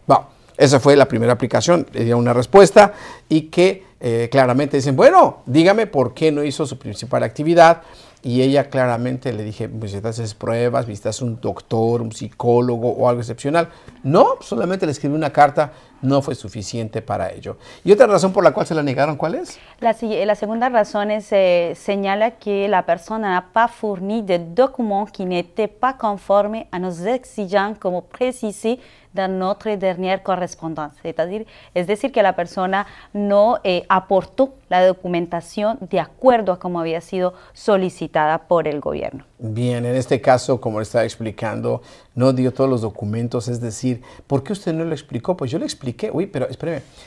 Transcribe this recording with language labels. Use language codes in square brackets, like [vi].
[es] Bueno, esa fue la primera aplicación, le dio una respuesta y que claramente dicen, bueno, dígame por qué no hizo su principal actividad. Y ella claramente le dije, pues si haces pruebas, visitas un doctor, un psicólogo o algo excepcional. No, solamente le escribí una carta, no fue suficiente para ello. ¿Y otra razón por la cual se la negaron, cuál es? La segunda razón es, señala que la persona [fr] n'a pas fourni de documents qui n'étaient pas conformes a nos exigences como précisé dans notre dernière correspondance. [es] Es decir, que la persona no aportó la documentación de acuerdo a cómo había sido solicitada por el gobierno. Bien, en este caso, como le estaba explicando, no dio todos los documentos. Es decir, ¿por qué usted no lo explicó? Pues yo le expliqué. Uy, pero espéreme.